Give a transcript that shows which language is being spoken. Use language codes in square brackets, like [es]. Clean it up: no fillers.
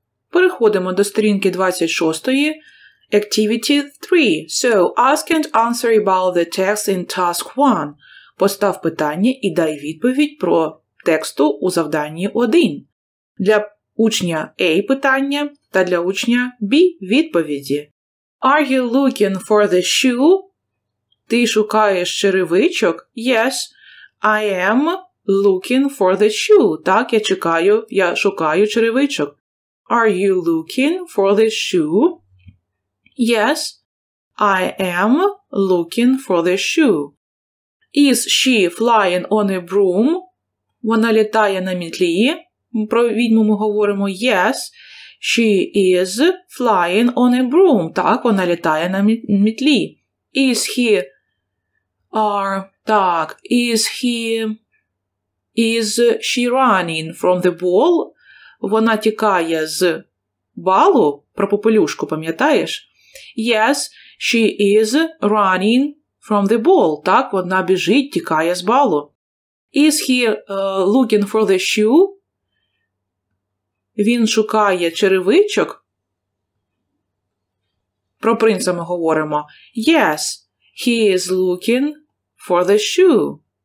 [uk] Переходимо до сторінки 26, Activity 3. [en] So, ask and answer about the text in task 1. [uk] Постав питання і дай відповідь про тексту у завданні 1. Для учня A питання та для учня B відповіді. [en] Are you looking for the shoe? [uk] Ти шукаєш черевичок? [en] Yes, I am looking for the shoe. [uk] Так, я чекаю, я шукаю черевичок. [en] Are you looking for the shoe? Yes, I am looking for the shoe. Is she flying on a broom? [uk] Вона літає на мітлі. Про відьму ми говоримо yes. [en] She is flying on a broom. [uk] Так, вона літає на мітлі. [en] Is he... Так, is he... Is she running from the ball? [uk] Вона тікає з балу, про попелюшку, пам'ятаєш? [en] Yes, she is running from the ball. [uk] Так, вона біжить, тікає з балу. [en] Is he looking for the shoe? [uk] Він шукає черевичок. Про принца ми говоримо. [en] Yes, he is looking for the shoe.